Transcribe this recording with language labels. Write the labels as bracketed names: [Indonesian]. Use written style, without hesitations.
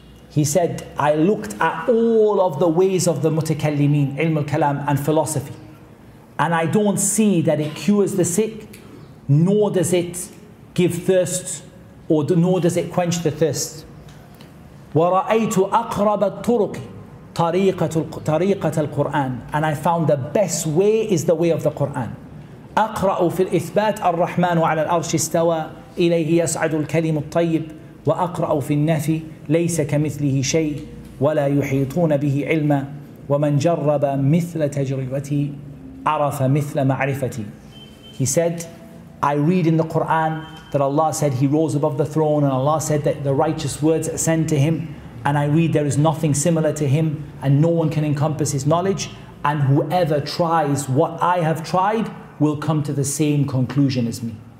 [English] He said, I looked at all of the ways of the mutakallimeen, ilm al-kalam and philosophy, and I don't see that it cures the sick, nor does it give thirst, nor does it quench the thirst. [Arabic] وَرَأَيْتُ أَقْرَبَ الطُّرُقِ طَرِيقَةُ الْقُرْآنِ. [English] And I found the best way is the way of the Qur'an. [Arabic] أقرأ في الإثبات الرحمن على الأرش استوى إليه يصعد الكلم الطيب وأقرأ في النفي ليس كمثله شيء ولا يحيطون به علما ومن جرب مثل تجربتي عرف مثل معرفتي. [English] He said, I read in the Quran that Allah said he rose above the throne, and Allah said that the righteous words ascend to him, and I read there is nothing similar to him and no one can encompass his knowledge, and whoever tries what I have tried will come to the same conclusion as me.